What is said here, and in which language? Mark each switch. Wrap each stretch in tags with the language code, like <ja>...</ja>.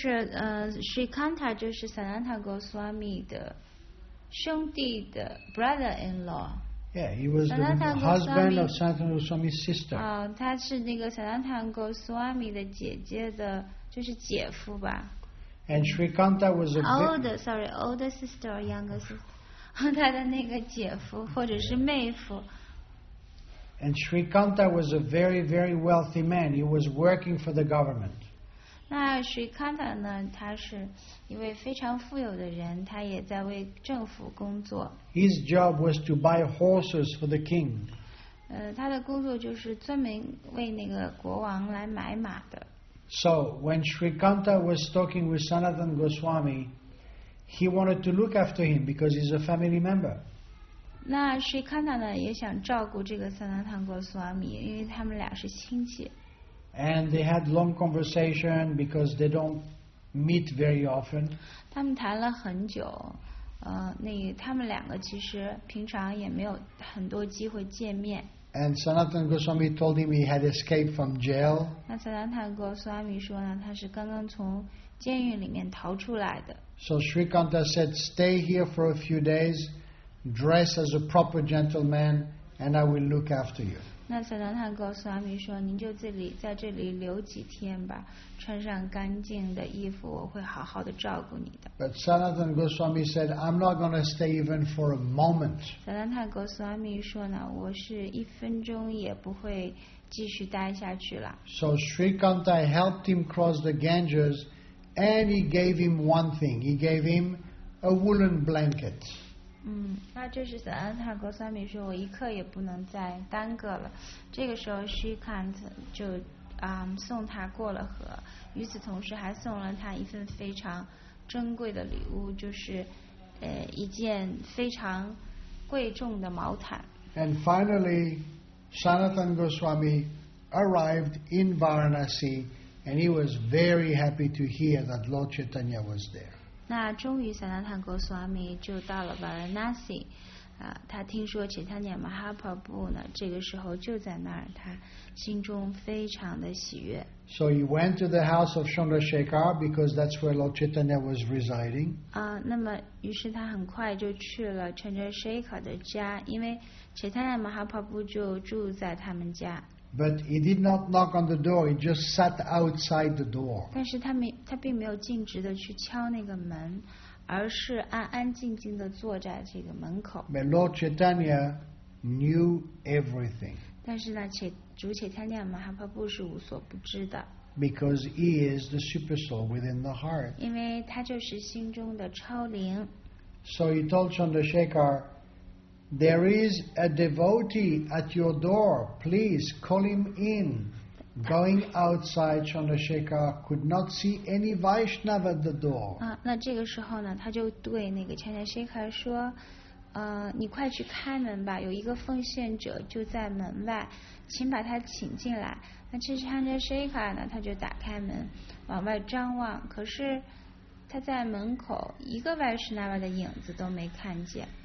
<zh>Shrikanta 就是 Sanatana Goswami 的兄弟的</zh> <en>brother-in-law. Yeah, he was the husband of Sanatana Goswami's sister.</en> <zh>他是那个 Sanatana Goswami 的姐姐的，就是姐夫吧。</zh> <en>And Shrikanta was a older sister or younger sister.</en> <zh>他的那个姐夫或者是妹夫。</zh> <en>And Shrikanta was a very, very wealthy man. He was working for the government.</en> <zh>那 Shrikanta 呢，他是一位非常富有的人，他也在为政府工作。</zh> <en>His job was to buy horses for the king.</en> <zh>他的工作就是专门为那个国王来买马的。</zh> <en>So when Shrikanta was talking with Sanatana Goswami, he wanted to look after him because he's a family member.</en> <zh>那 Shrikanta 呢也想照顾这个 Sanatana Goswami, 因为他们俩是亲戚。</zh> <en>And they had long conversation because they don't meet very often.</en> <zh>他们谈了很久，他们两个其实平常也没有很多机会见面。</zh> <en>And Sanatana Goswami told him he had escaped from jail.</en> <zh>那 Sanatana Goswami 说呢，他是刚刚从监狱里面逃出来的。</zh> <en>So Shrikanta said, "Stay here for a few days, dress as a proper gentleman, and I will look after you."</en> <zh>那 Sanatana Goswami 说，您就这里在这里留几天吧，穿上干净的衣服，我会好好的照顾你的。</zh> <en>But Sanatana Goswami said, "I'm not going to stay even for a moment."</en> <zh>Sanatana Goswami 说呢，我是一分钟也不会继续待下去了。</zh> <en>So Shrikanta helped him cross the Ganges, and he gave him one thing. He gave him a woolen blanket.</en> <zh>那这是 Sanatana Goswami 说，我一刻也不能再耽搁了。这个时候 ，Shrikanta 就。送他过了河，与此同时还送了他一份非常珍贵的礼物，就是一件非常贵重的毛毯。</zh> <en>And finally, Sanatana Goswami arrived in Varanasi, and he was very happy to hear that Lord Chaitanya was there.</en> <zh>那终于 Sanatana Goswami 就到了 Varanasi, 他听说 Chaitanya Mahaprabhu 呢，这个时候就在那儿，他。心中非常的喜悦。</zh> <en>So he went to the house of Chandrasekhar because that's where Lord Chaitanya was residing.</en> <zh>那么于是他很快就去了 Chandrasekhar 的家，因为 Chaitanya Mahaprabhu 就住在他们家。</zh> <en>But he did not knock on the door. He just sat outside the door.</en> <zh>但是他并没有径直的去敲那个门，而是安安静静的坐在这个门口。</zh> <en>But Lord Chaitanya knew everything.</en> <zh>但是呢，主且贪念嘛，哈巴布是无所不知的。</zh> <en>Because he is the super soul within the heart.</en> <zh>因为他就是心中的超灵。</zh> <en>So he told Chandrasekhar, "There is a devotee at your door. Please call him in." Going outside, Chandrasekhar could not see any Vaishnava at the door.</en> <zh>那这个时候呢，他就对那个 Chandrasekhar 说。你快去开门吧，有一个奉献者就在门外，请把他请进来。那其实 Chandrasekhar 呢，他就打开门往外张望，可是他在门口一个 Vaishnava 的影子都没看见。</zh>